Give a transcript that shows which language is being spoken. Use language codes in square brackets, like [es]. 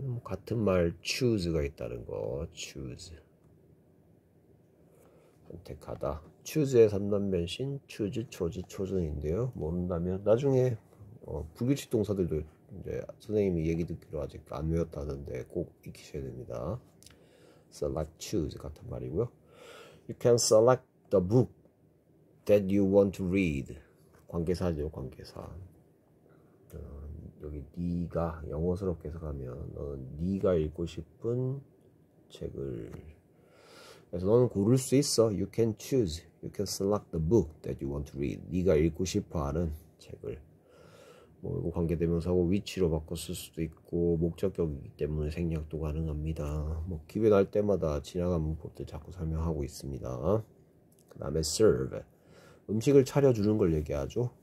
[ko] 같은 말 choose가 있다는 거. choose, 선택하다. choose의 3단변신 choose인데요. 모른다면 나중에 불규칙 동사들도 이제 선생님이 얘기 듣기로 아직 안 외웠다던데 꼭 익히셔야 됩니다. select, choose 같은 말이고요. [en] You can select the book that you want to read. [ko] 관계사죠, 관계사. 여기 네가 영어스럽게 해석하면 너는 네가 읽고 싶은 책을. 그래서 너는 고를 수 있어. [en] You can choose. You can select the book that you want to read. [ko] 네가 읽고 싶어 하는 책을. 뭐 이거 관계대명사고 위치로 바꿔 쓸 수도 있고 목적격이기 때문에 생략도 가능합니다. 뭐 기회 날 때마다 지나가면 볼때 자꾸 설명하고 있습니다. 그다음에 serve. 음식을 차려주는 걸 얘기하죠.